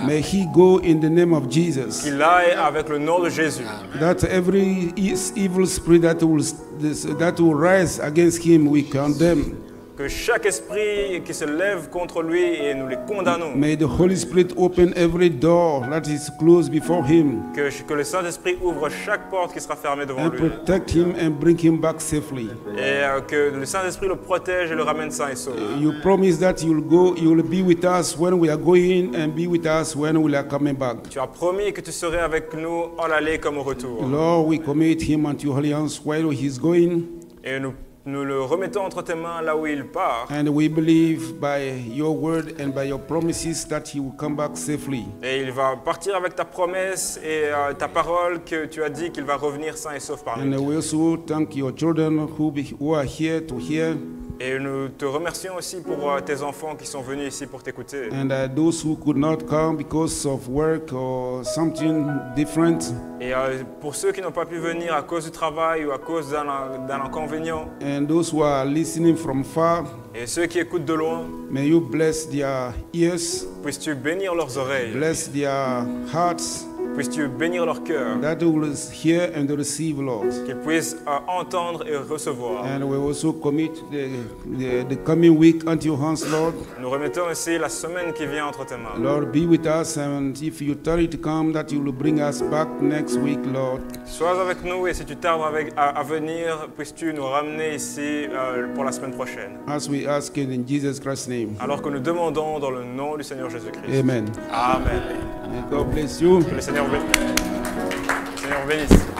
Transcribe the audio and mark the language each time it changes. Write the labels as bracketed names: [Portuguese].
[English] May he go in the name of Jesus. [French] Qu'il aille avec le nom de Jésus. [English] That every evil spirit that will rise against him, we condemn. [French] Que chaque esprit qui se lève contre lui et nous les condamnons. [English] May the Holy Spirit open every door that is closed before him. [French] Que le Saint-Esprit ouvre chaque porte qui sera fermée devant [English] and [French] lui. [English] Protect him and bring him back safely. [French] Et que le Saint-Esprit le protège et le ramène sain et sauf. [English] You promise that you'll be with us when we are going and be with us when we are coming back. [French] Tu as promis que tu serais avec nous en aller comme au retour. [English] Lord, we commit him unto your alliance while he is going. [French] Et nous le remettons entre tes mains là où il part. [English] And we believe by your word and by your promises that he will come back safely. [French] Et il va partir avec ta promesse et ta parole que tu as dit qu'il va revenir sain et sauf parmi nous. [English] And we also thank your children who are here to hear. [French] Et nous te remercions aussi pour tes enfants qui sont venus ici pour t'écouter. [English] And those who could not come because of work or something different. [French] Et pour ceux qui n'ont pas pu venir à cause du travail ou à cause d'un inconvénient. [English] And those who are listening from far. [French] Et ceux qui écoutent de loin. [English] May you bless their ears. [French] Puisses-tu bénir leurs oreilles. [English] Bless their hearts. [French] Puisses-tu bénir leur cœur. [English] That will hear and receive, Lord. [French] Qu'ils puissent entendre et recevoir. [English] And we also commit the coming week unto your hands, Lord. [French] Nous remettons aussi la semaine qui vient entre tes mains. [English] Lord, be with us, and if you tarry to come, that you will bring us back next week, Lord. [French] Sois avec nous, et si tu tardes à venir, puisses-tu nous ramener ici pour la semaine prochaine. [English] As we ask in Jesus Christ's name. [French] Alors que nous demandons dans le nom du Seigneur Jésus-Christ. Amen. Amen. [English] May God bless you. [French] Que le Seigneur bénisse.